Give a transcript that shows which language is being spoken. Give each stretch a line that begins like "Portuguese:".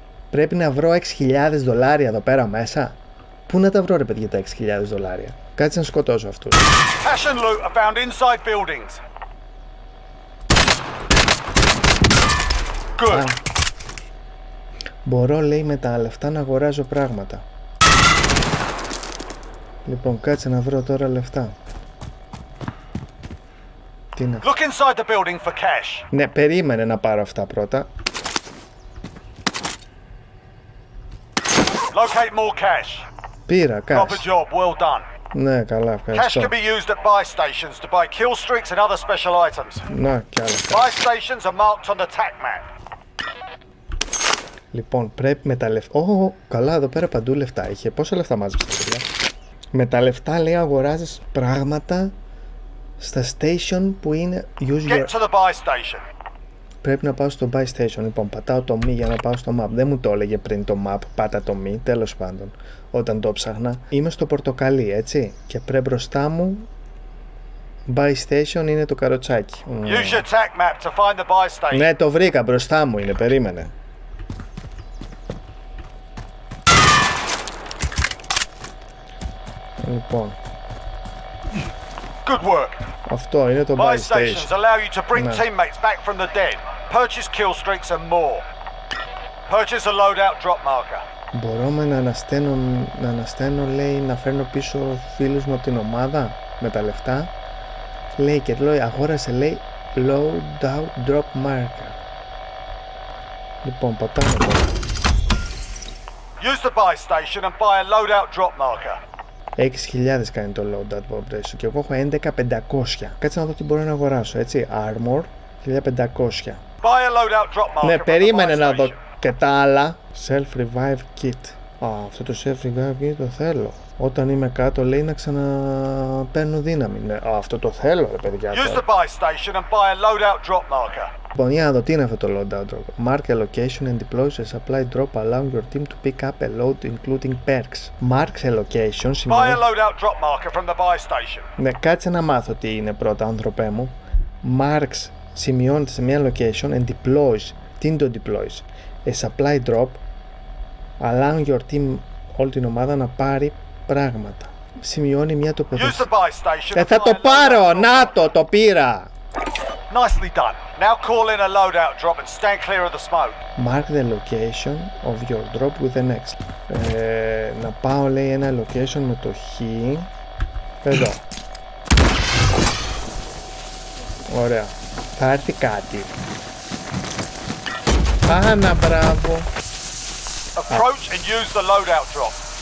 Greek: Πρέπει να βρω 6,000 δολάρια εδώ πέρα μέσα. Πού να τα βρω ρε παιδιά τα 6,000 δολάρια. Κάτσε να σκοτώσω αυτούς.
English: Cash and loot are found inside buildings. Good.
Greek: Α, μπορώ λέει με τα λεφτά να αγοράζω πράγματα. Λοιπόν, κάτσε να βρω τώρα λεφτά. Τι είναι.
English: Look inside the building for cash.
Greek: Ναι, περίμενε να πάρω αυτά πρώτα.
English: Locate more cash.
Greek: Πήρα, cash.
English: Proper job, well done.
Greek: Ναι, καλά, ευχαριστώ.
English: Cash can be used at buy stations to buy kill streaks and other special items.
Greek: Ναι, καλά.
English: Buy stations are marked on the tac map.
Greek: Λοιπόν, πρέπει με τα λεφτά. Ω, καλά, εδώ πέρα παντού λεφτά είχε. Πόσα λεφτά μάζεψε, παιδιά. Με τα λεφτά λέει αγοράζεις πράγματα στα station που είναι.
English: Use your... Get to the buy station.
Greek: Πρέπει να πάω στο buy station. Λοιπόν, πατάω το μη για να πάω στο map. Δεν μου το έλεγε πριν το map. Πάτα το μη, τέλος πάντων. Όταν το ψάχνα. Είμαι στο πορτοκαλί, έτσι. Και πρέπει μπροστά μου. Buy station είναι το καροτσάκι.
English: Use your tech map to find the buy station.
Greek: Ναι, το βρήκα. Μπροστά μου είναι. Περίμενε. Λοιπόν.
English: Good work.
Greek: Αυτό είναι το
English: buy stations allow you to bring teammates back from the dead, purchase kill streaks and more. Purchase a loadout drop marker.
Greek: Μπορώ με να ανασταίνω, λέει, να φέρνω πίσω φίλους μου από την ομάδα με τα λεφτά. Λέει και λέει, αγόρασε, λέει, loadout drop marker. Λοιπόν, πατάμε τώρα.
English: Use the buy station and buy a loadout drop marker.
Greek: 6.000 κάνει το loadout drop marker και εγώ έχω 11.500. Κάτσε να δω τι μπορώ να αγοράσω, έτσι. Armor, 1.500.
English: Buy a loadout drop marker.
Greek: Ναι, περίμενε να δω και τα άλλα. Self Revive Kit. Α, αυτό το Self Revive Kit το θέλω. Όταν είμαι κάτω λέει να ξαναπαίρνω δύναμη. Ναι, α, αυτό το θέλω ρε παιδιά.
English: Use the buy station and buy a loadout drop marker.
Greek: Λοιπόν, για να δω τι είναι αυτό το loadout drop.
English: Mark a location and deploy a supply drop allowing your team to pick up a load including perks. Mark a location σημαίνει... Buy a loadout drop marker from the buy station.
Greek: Ναι, κάτσε να μάθω τι είναι πρώτα, άνθρωπέ μου.
English: Marks
Greek: σημειώνεται σε μια
English: location and deploys.
Greek: Τι είναι το deploys.
English: A supply drop allowing your team,
Greek: όλη την ομάδα, να πάρει πράγματα. Σημειώνει μια τοποθέτηση. Θα το πάρω! Να το! Το πήρα!
English: Nicely done. Now call in a loadout drop and stand clear of the smoke. Mark the location of your drop with the next.
Greek: Να πάω, λέει, ένα location με το χ. Εδώ. Ωραία. Θα έρθει κάτι. Άνα, μπράβο.
English: Approach and use the loadout drop.